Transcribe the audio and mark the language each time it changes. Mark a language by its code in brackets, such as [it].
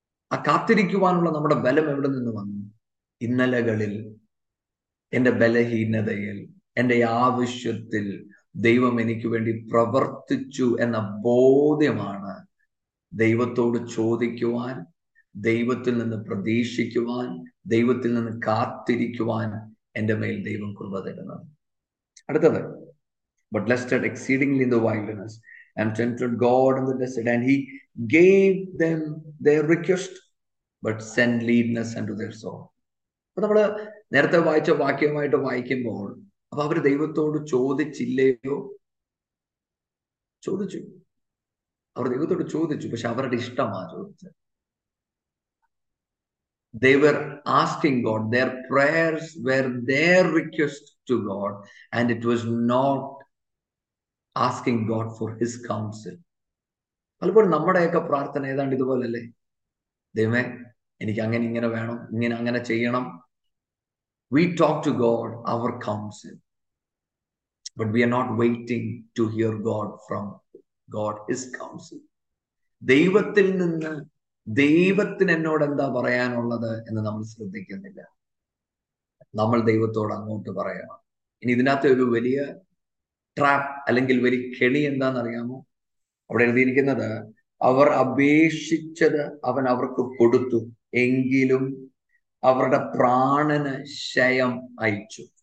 [ml] ആ കാത്തിരിക്കുവാനുള്ള നമ്മുടെ ബലം എവിടെ നിന്ന് വന്നു? ഇന്നലകളിൽ എൻ്റെ ബലഹീനതയിൽ എൻ്റെ ആവശ്യത്തിൽ ദൈവം എനിക്ക് വേണ്ടി പ്രവർത്തിച്ചു എന്ന ബോധ്യമാണ് ദൈവത്തോട് ചോദിക്കുവാൻ, ദൈവത്തിൽ നിന്ന് പ്രതീക്ഷിക്കുവാൻ, ദൈവത്തിൽ നിന്ന് കാത്തിരിക്കുവാൻ എൻ്റെ മേൽ ദൈവം കൃപ തരുന്നത്. അടുത്തത്, [en] but lusted exceedingly in the wilderness and tempted God in the desert, and he gave them their request, but sent leanness unto their soul. [ml] അപ്പൊ നമ്മള് നേരത്തെ വായിച്ച വാക്യമായിട്ട് വായിക്കുമ്പോൾ, അപ്പൊ അവര് ദൈവത്തോട് ചോദിച്ചില്ലയോ? ചോദിച്ചു. അവർ ദൈവത്തോട് ചോദിച്ചു, പക്ഷെ അവരുടെ ഇഷ്ടമാ ചോദിച്ചത്. [en] They were asking God, their prayers were their request to God, and it was not asking God for his counsel. [ml] പലപ്പോഴും നമ്മുടെയൊക്കെ പ്രാർത്ഥന ഏതാണ്ട് ഇതുപോലല്ലേ? ദൈവമേ, എനിക്ക് അങ്ങനെ ഇങ്ങനെ വേണം, ഇങ്ങനെ അങ്ങനെ ചെയ്യണം. [en] We talk to God, our counsel. But we are not waiting to hear God from God, his counsel. [ml] ദൈവത്തിൽ നിന്ന് ദൈവത്തിന് എന്നോട് എന്താ പറയാനുള്ളത് എന്ന് നമ്മൾ ശ്രദ്ധിക്കുന്നില്ല. നമ്മൾ ദൈവത്തോട് അങ്ങോട്ട് പറയണം. ഇനി ഇതിനകത്ത് ഒരു വലിയ ട്രാപ്പ് അല്ലെങ്കിൽ വലിയ കെണി എന്താണെന്നറിയാമോ? അവിടെ എഴുതിയിരിക്കുന്നത്, അവർ അപേക്ഷിച്ചത് അവൻ അവർക്ക് കൊടുത്തു, എങ്കിലും അവരുടെ പ്രാണന് ക്ഷയം അയച്ചു.